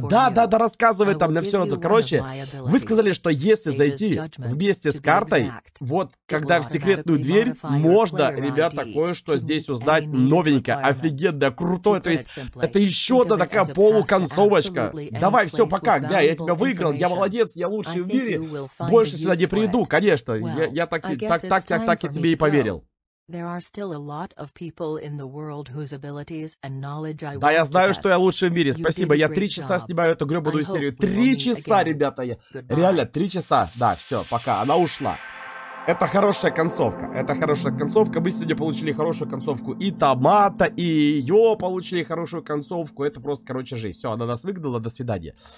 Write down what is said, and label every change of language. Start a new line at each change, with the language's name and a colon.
Russian: Да, рассказывай там на все это. Короче, вы сказали, что если зайти вместе с картой, вот когда в секретную дверь, можно, ребята, кое-что здесь узнать новенькое, офигенно, крутое, то есть это еще одна такая полуконцовочка. Давай, все, пока, да, я тебя выиграл, я молодец, я лучший в мире, больше сюда не приду, конечно, я так я тебе и поверил.
English: There are still a lot of people in the world whose abilities and knowledge I want to test.
Russian: Да, я знаю, что я лучший в мире. Спасибо. Я 3 часа снимаю эту гребаную серию. 3 часа, ребята, я реально 3 часа. Да, все, пока. Она ушла. Это хорошая концовка. Мы сегодня получили хорошую концовку. И Табата, и ее получили хорошую концовку. Это просто, короче, жизнь. Все, она нас выгнала. До свидания.